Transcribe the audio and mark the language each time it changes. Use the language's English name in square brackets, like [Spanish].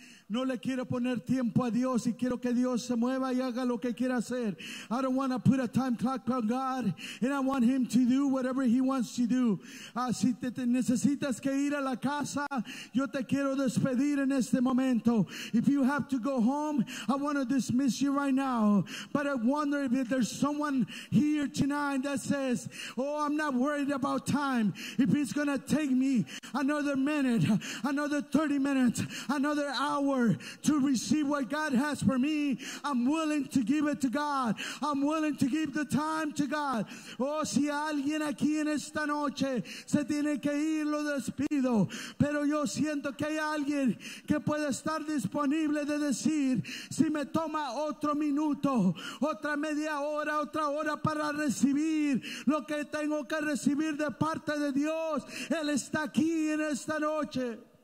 [Spanish] No le quiero poner tiempo a Dios y quiero que Dios se mueva y haga lo que quiera hacer. [English] I don't want to put a time clock on God, and I want him to do whatever he wants to do. [Spanish] Si te necesitas que ir a la casa, yo te quiero despedir en este momento. [English] If you have to go home, I want to dismiss you right now. But I wonder if there's someone here tonight that says, oh, I'm not worried about time. If it's going to take me another minute, another 30 minutes, another hour to receive what God has for me, I'm willing to give it to God. I'm willing to give the time to God. [Spanish] Oh, si alguien aquí en esta noche se tiene que ir, lo despido. Pero yo siento que hay alguien que puede estar disponible de decir, si me toma otro minuto, otra media hora, otra hora para recibir lo que tengo que recibir de parte de Dios, Él está aquí en esta noche.